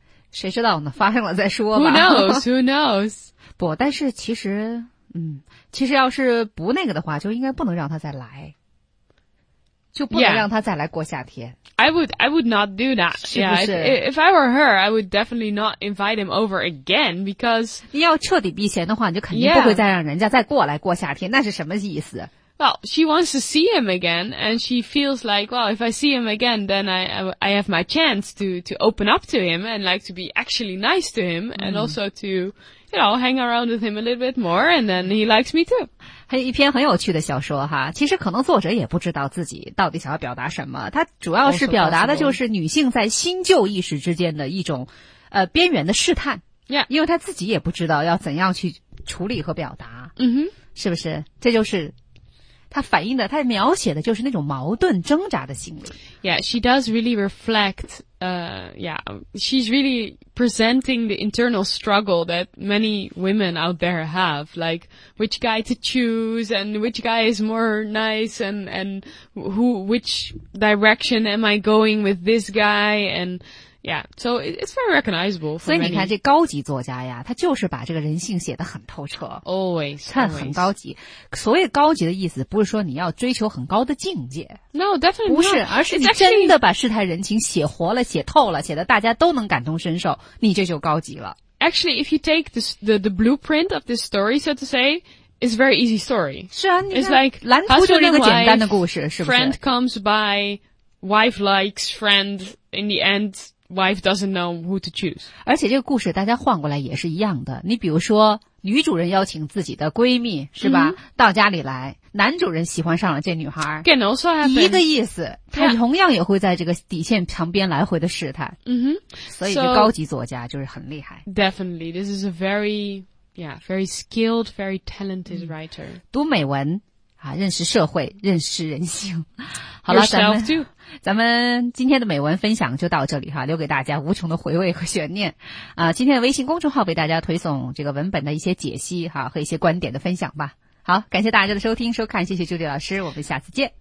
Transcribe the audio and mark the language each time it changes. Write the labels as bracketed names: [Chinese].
[Chinese] 谁知道呢发生了再说吧 [English] who knows [Chinese] 不但是其实嗯，其实要是不那个的话，就应该不能让他再来，就不能让他再来过夏天。 [English] Yeah. I would not do that. [Chinese] 是不是 [English] yeah, if I were her, I would definitely not invite him over again because [Chinese] 你要彻底避嫌的话，你就肯定不会再让人家再过来过夏天， [English] yeah. [Chinese] 那是什么意思 [English] ？Well, she wants to see him again, and she feels like, well, if I see him again, then I have my chance to open up to him and like to be actually nice to him、mm. and also to. You know, hang around with him a little bit more, and then he likes me too. [Chinese] 还有一篇很有趣的小说哈，其实可能作者也不知道自己到底想要表达什么。他主要是表达的就是女性在新旧意识之间的一种，边缘的试探。 [English] Yeah. [Chinese] 因为他自己也不知道要怎样去处理和表达。嗯哼，是不是？这就是他反映的，他描写的就是那种矛盾挣扎的心理。 [English] Yeah, she does really reflect. Yeah, she's really presenting the internal struggle that many women out there have, like which guy to choose and which guy is more nice and who, which direction am I going with this guy and. Yeah, so it's very recognizable. [Chinese] 所以你看这高级作家呀，他就是把这个人性写得很透彻。 [English] Always. [Chinese] 看很高级。所谓高级的意思不是说你要追求很高的境界。 [English] No, definitely not. [Chinese] 不是，而是你真的把世态人情写活了，写透了，写得大家都能感同身受，你这就高级了。 [English] Actually, if you take the blueprint of this story, so to say,It's a very easy story. [Chinese] 是啊，你看 [English] it's like, [Chinese] 蓝图就是个简单的故事，是不是 [English] ?Friend comes by, wife likes friend, in the end,Wife doesn't know who to choose. [Chinese] 而且这个故事大家换过来也是一样的。你比如说女主人邀请自己的闺蜜是吧、mm-hmm. 到家里来，男主人喜欢上了这女孩。 [English] Can also happen. [Chinese] 一个意思，他同样也会在这个底线旁边来回的试探。 Mm-hmm. 所以这高级作家就是很厉害。 [English] So, definitely, this is a very, yeah, very skilled, very talented writer. [Chinese] 读美文。啊，认识社会，认识人性。好了，咱们今天的美文分享就到这里哈，留给大家无穷的回味和悬念。啊，今天的微信公众号为大家推送这个文本的一些解析哈和一些观点的分享吧。好，感谢大家的收听收看，谢谢朱迪老师，我们下次见。